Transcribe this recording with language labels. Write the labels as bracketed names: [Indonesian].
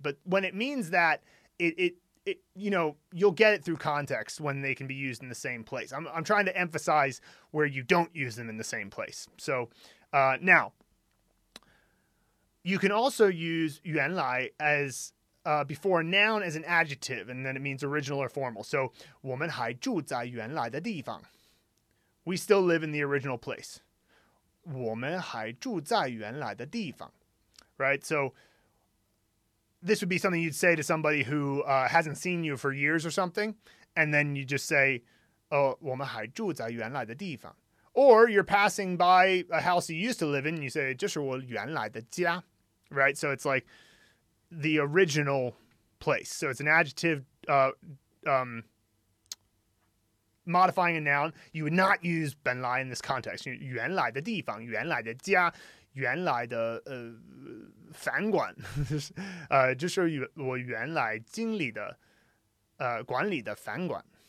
[English] But when it means that, it you know, you'll get it through context when they can be used in the same place. I'm trying to emphasize where you don't use them in the same place. So now, you can also use yuanlai as before a noun as an adjective, and then it means original or formal. So, [Chinese] 我们还住在原来的地方. [English] We still live in the original place. [Chinese] 我们还住在原来的地方. [English] Right? So, this would be something you'd say to somebody who hasn't seen you for years or something, and then you just say, [Chinese] 我们还住在原来的地方. [English] Or, you're passing by a house you used to live in, and you say, [Chinese] 这是我原来的家. [English] Right? So, it's like, the original place. So it's an adjective modifying a noun. You would not use 本来 in this context. [Chinese] 原来的地方, 原来的家, 原来的饭馆, 就是我原来经理的管理的饭馆.